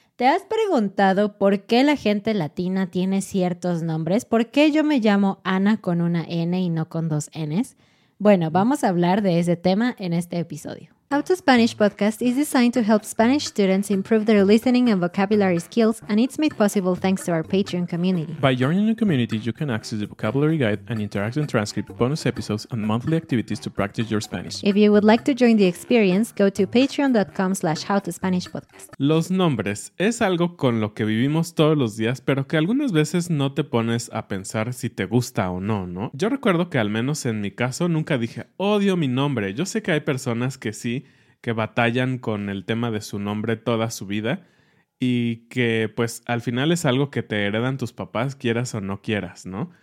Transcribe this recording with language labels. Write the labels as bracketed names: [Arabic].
[Spanish] ¿Te has preguntado por qué la gente latina tiene ciertos nombres? ¿Por qué yo me llamo Ana con una N y no con dos Ns? Bueno, vamos a hablar de ese tema en este episodio. [English] How to Spanish Podcast is designed to help Spanish students improve their listening and vocabulary skills, and it's made possible thanks to our Patreon community. By joining the community, you can access the vocabulary guide, an interactive transcript, bonus episodes, and monthly activities to practice your Spanish. If you would like to join the experience, go to patreon.com/howtospanishpodcast. [Spanish] Los nombres es algo con lo que vivimos todos los días, pero que algunas veces no te pones a pensar si te gusta o no, ¿no? Yo recuerdo que al menos en mi caso nunca dije, odio mi nombre. Yo sé que hay personas que sí, que batallan con el tema de su nombre toda su vida y que pues al final es algo que te heredan tus papás, quieras o no quieras, ¿no?